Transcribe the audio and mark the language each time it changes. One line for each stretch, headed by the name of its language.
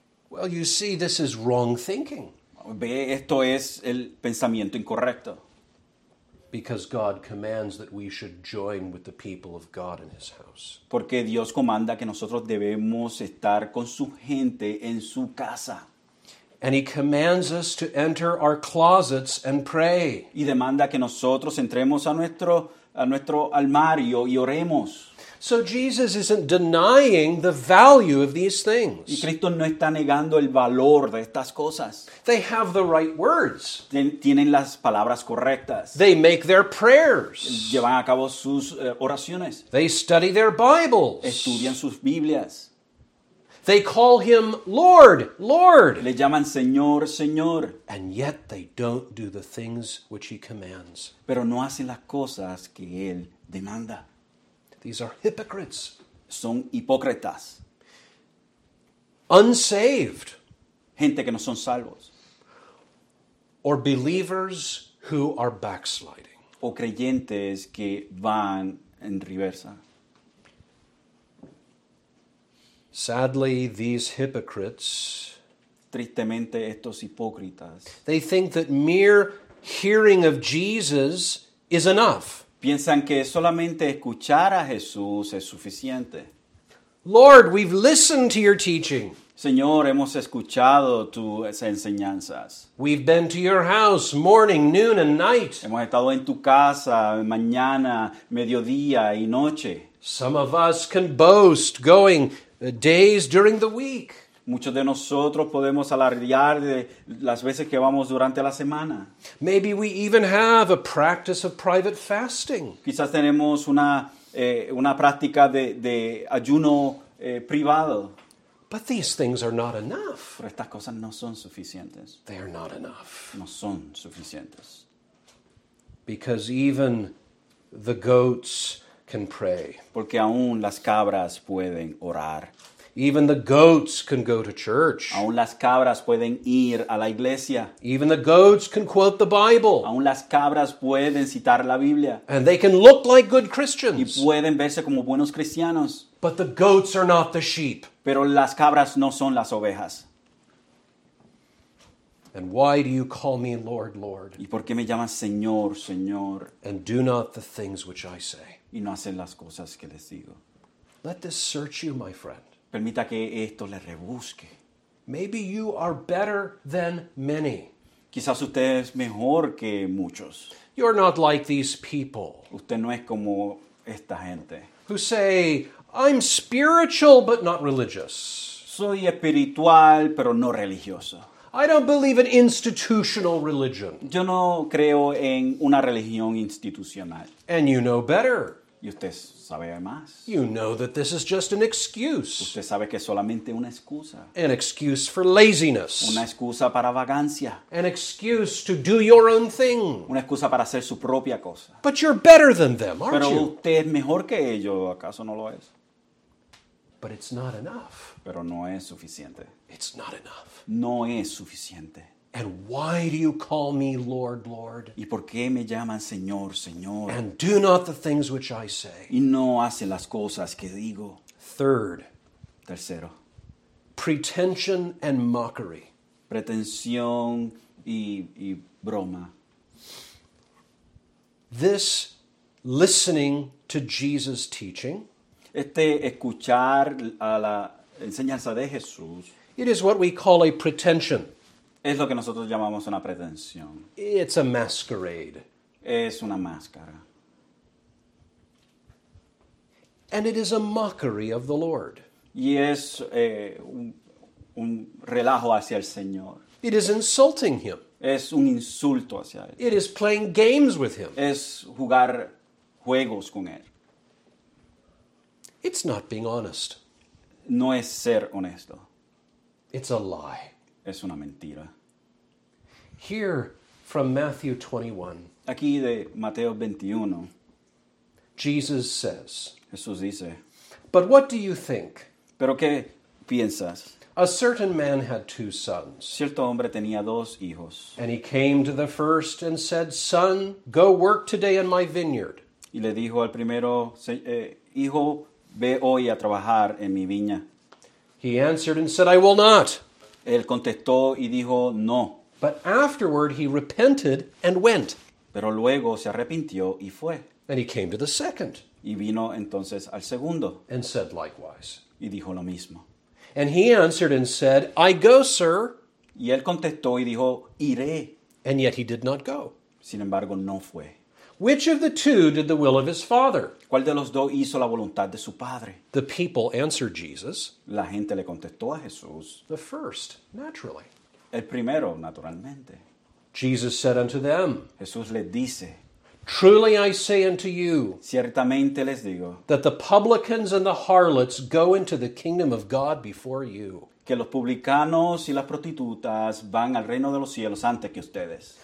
English: Well, you see, this is wrong thinking.
Spanish: Ve, esto es el pensamiento incorrecto.
English: Because God commands that we should join with the people of God in His house.
Spanish: Porque Dios comanda que nosotros debemos estar con su gente en su casa.
English: And He commands us to enter our closets and pray.
Spanish: Y demanda que nosotros entremos a nuestro armario y oremos.
English: So Jesus isn't denying the value of these things.
Spanish: Y Cristo no está negando el valor de estas cosas.
English: They have the right words.
Spanish: Tienen las palabras correctas.
English: They make their prayers.
Spanish: Llevan a cabo sus oraciones.
English: They study their Bibles.
Spanish: Estudian sus Biblias.
English: They call Him Lord, Lord.
Spanish: Le llaman Señor, Señor.
English: And yet they don't do the things which He commands.
Spanish: Pero no hacen las cosas que Él demanda.
English: These are hypocrites.
Spanish: Son hipócritas.
English: Unsaved.
Spanish: Gente que no son salvos.
English: Or believers who are backsliding.
Spanish: O creyentes que van en reversa.
English: Sadly, these hypocrites.
Spanish: Tristemente, estos hipócritas.
English: They think that mere hearing of Jesus is enough.
Spanish: Piensan que solamente escuchar a Jesús es suficiente.
English: Lord, we've listened to your teaching.
Spanish: Señor, hemos escuchado tus enseñanzas.
English: We've been to your house morning, noon, and night.
Spanish: Hemos estado en tu casa mañana, mediodía y noche.
English: Some of us can boast going days during the week.
Spanish: Muchos de nosotros podemos alardear de las veces que vamos durante la semana.
English: Maybe we even have a practice of private fasting.
Spanish: Quizás tenemos una práctica de ayuno privado.
English: But these things are not enough.
Spanish: Pero estas cosas no son suficientes.
English: They are not enough.
Spanish: No son suficientes.
English: Because even the goats can pray.
Spanish: Porque aún las cabras pueden orar.
English: Even the goats can go to church.
Spanish: Aún las cabras pueden ir a la iglesia.
English: Even the goats can quote the Bible.
Spanish: Aún las cabras pueden citar la Biblia.
English: And they can look like good Christians.
Spanish: Y pueden verse como buenos cristianos.
English: But the goats are not the sheep.
Spanish: Pero las cabras no son las ovejas.
English: And why do you call me Lord, Lord?
Spanish: ¿Y por qué me llamas Señor, Señor?
English: And do not the things which I say.
Spanish: Y no hacen las cosas que les digo.
English: Let this search you, my friend.
Spanish: Permita que esto le rebusque.
English: Maybe you are better than many.
Spanish: Quizás usted es mejor que muchos.
English: You're not like these people.
Spanish: Usted no es como esta gente.
English: Who say, I'm spiritual but not religious.
Spanish: Soy espiritual pero no religioso.
English: I don't believe in institutional religion.
Spanish: Yo no creo en una religión institucional.
English: And you know better.
Spanish: Y usted sabe más.
English: You know that this is just an excuse.
Spanish: Usted sabe que es solamente una excusa.
English: An excuse for laziness.
Spanish: Una excusa para vagancia.
English: An excuse to do your own thing.
Spanish: Una excusa para hacer su propia cosa.
English: But you're better than them, aren't you?
Spanish: Pero usted es mejor que ellos, ¿acaso no lo es?
English: But it's not enough.
Spanish: Pero no es suficiente.
English: It's not enough.
Spanish: No es suficiente.
English: And why do you call me Lord, Lord?
Spanish: ¿Y por qué me llaman Señor, Señor?
English: And do not the things which I say.
Spanish: Y no hace las cosas que digo.
English: Third.
Spanish: Tercero.
English: Pretension and mockery.
Spanish: Pretensión y broma.
English: This listening to Jesus' teaching.
Spanish: Este escuchar a la enseñanza de Jesús.
English: It is what we call a pretension.
Spanish: Es lo que nosotros llamamos una pretensión.
English: It's a masquerade.
Spanish: Es una máscara.
English: And it is a mockery of the Lord.
Spanish: Y es un relajo hacia el Señor.
English: It is insulting him.
Spanish: Es un insulto hacia él.
English: It is playing games with him.
Spanish: Es jugar juegos con él.
English: It's not being honest.
Spanish: No es ser honesto.
English: It's a lie.
Spanish: Es una mentira.
English: Here from Matthew 21.
Spanish: Aquí de Mateo 21.
English: Jesus says.
Spanish: Jesús dice.
English: But what do you think?
Spanish: ¿Pero qué piensas?
English: A certain man had two sons.
Spanish: Cierto hombre tenía dos hijos.
English: And he came to the first and said, Son, go work today in my vineyard.
Spanish: Y le dijo al primero, hijo, ve hoy a trabajar en mi viña.
English: He answered and said, I will not.
Spanish: Él contestó y dijo, no.
English: But afterward he repented and went.
Spanish: Pero luego se arrepintió y fue.
English: And he came to the second.
Spanish: Y vino entonces al segundo.
English: And said likewise.
Spanish: Y dijo lo mismo.
English: And he answered and said, I go, sir.
Spanish: Y él contestó y dijo, iré.
English: And yet he did not go.
Spanish: Sin embargo, no fue.
English: Which of the two did the will of his father?
Spanish: ¿Cuál de los dos hizo la voluntad de su padre?
English: The people answered Jesus.
Spanish: La gente le contestó a Jesús.
English: The first, naturally.
Spanish: El primero, naturalmente.
English: Jesus said unto them.
Spanish: Jesús les dice.
English: Truly I say unto you.
Spanish: Ciertamente les digo.
English: That the publicans and the harlots go into the kingdom of God before you.
Spanish: Que los publicanos y las prostitutas van al reino de los cielos antes que ustedes.